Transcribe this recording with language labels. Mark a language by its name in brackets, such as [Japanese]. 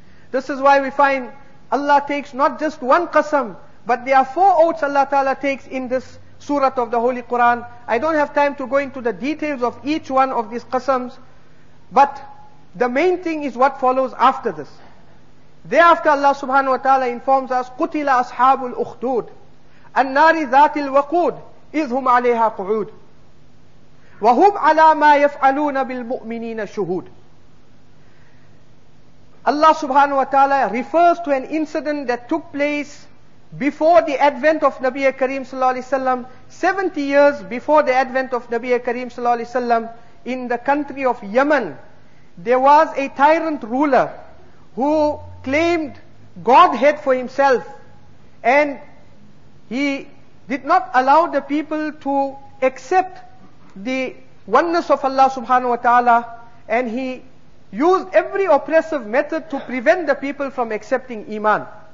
[English] This is why we find Allah takes not just one qasam, but there are four oaths Allah ta'ala takes in this surah of the Holy Quran. I don't have time to go into the details of each one of these qasams, but the main thing is what follows after this. Thereafter Allah subhanahu wa ta'ala informs us, [Arabic] قُتِلَ أَصْحَابُ الْأُخْدُودِ النَّارِ ذَاتِ الْوَقُودِ إِذْ هُمْ عَلَيْهَا قُعُودِ وَهُمْ عَلَى مَا يَفْعَلُونَ بِالْمُؤْمِنِينَ شُهُودِ. [English] Allah subhanahu wa ta'ala refers to an incident that took place before the advent of Nabi Kareem sallallahu alayhi wa sallam, 70 years before the advent of Nabi Kareem sallallahu alayhi wa sallam, in the country of Yemen. There was a tyrant ruler who claimed Godhead for himself, and he did not allow the people to accept the oneness of Allah subhanahu wa ta'ala, and he used every oppressive method to prevent the people from accepting Iman.